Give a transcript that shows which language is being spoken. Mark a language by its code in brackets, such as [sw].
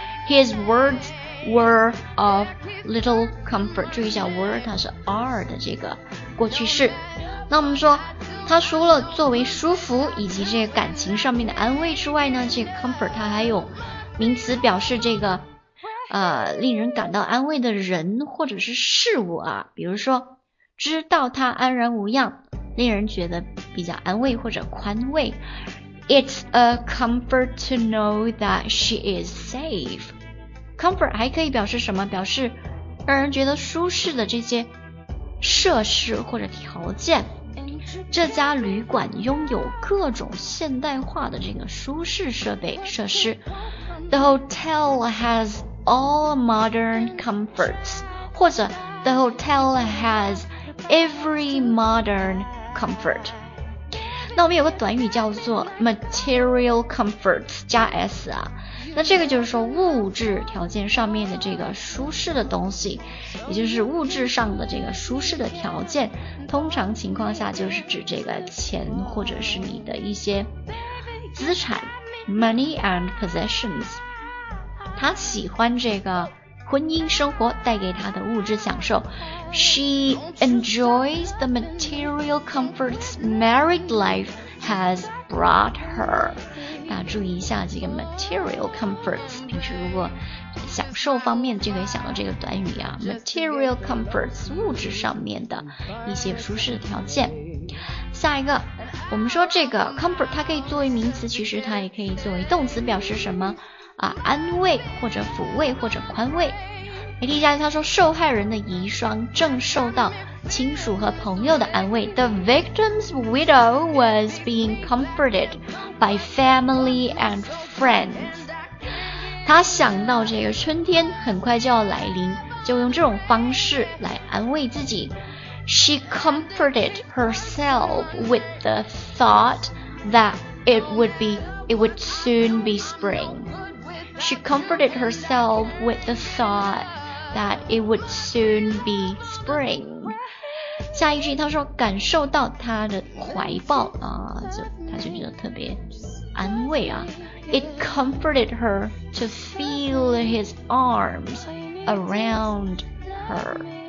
[en] His words were of little comfort. [zh] 注意一下 were 它是 are 的这个过去式。那我们说他除了作为舒服以及这个感情上面的安慰之外呢，这个 comfort 它还有名词表示这个令人感到安慰的人或者是事物啊。比如说知道他安然无恙，令人觉得比较安慰或者宽慰。 [en] It's a comfort to know that she is safe. [zh] Comfort 还可以表示什么？表示让人觉得舒适的这些设施或者条件。这家旅馆拥有各种现代化的这个舒适设备设施。 [en] The hotel has all modern comforts. [zh] 或者 [en] The hotel has every modern comfort. [zh] 那我们有个短语叫做 material comforts 加 s 啊，那这个就是说物质条件上面的这个舒适的东西，也就是物质上的这个舒适的条件，通常情况下就是指这个钱或者是你的一些资产 [en] money and possessions。 [zh] 他喜欢这个婚姻生活带给他的物质享受。 [en] She enjoys the material comforts married life has brought her. [zh] 大家注意一下这个 material comforts， 平时如果享受方面就可以想到这个短语啊， material comforts 物质上面的一些舒适的条件。下一个我们说这个 comfort 它可以作为名词，其实它也可以作为动词，表示什么啊，安慰或者抚慰或者宽慰。美丽家他说，受害人的遗孀正受到亲属和朋友的安慰。 [en] The victim's widow was being comforted by family and friends. [zh] 他想到这个春天很快就要来临，就用这种方式来安慰自己。 [en] She comforted herself with the thought that it would soon be spring. She comforted herself with the thought that it would soon be spring. [zh] 下一句，他说感受到他的怀抱啊，他就觉得特别安慰啊。 [en] It comforted her to feel his arms around her.